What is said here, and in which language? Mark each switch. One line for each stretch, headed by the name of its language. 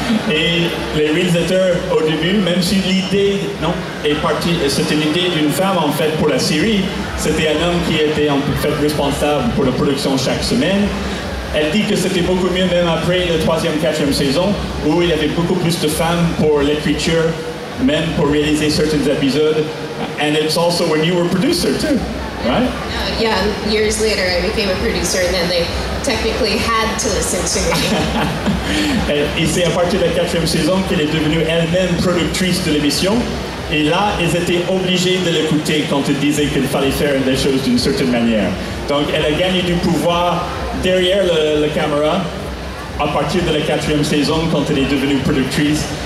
French: Et les réalisateurs au début, même si l'idée est partie, c'était l'idée d'une femme en fait pour la série, c'était un homme qui était en fait responsable pour la production chaque semaine. Elle dit que c'était beaucoup mieux même après la troisième, quatrième saison, où il y avait beaucoup plus de femmes pour l'écriture, même pour réaliser certains épisodes.
English: And it's also when you were producer too. Right? Yeah, years later I became a producer and then they technically had to listen to me.
French: Et c'est à partir de la quatrième saison qu'elle est devenue elle-même productrice de l'émission. Et là, ils étaient obligés de l'écouter quand ils disaient qu'il fallait faire des choses d'une certaine manière. Donc elle a gagné du pouvoir derrière la caméra à partir de la quatrième saison quand elle est devenue productrice.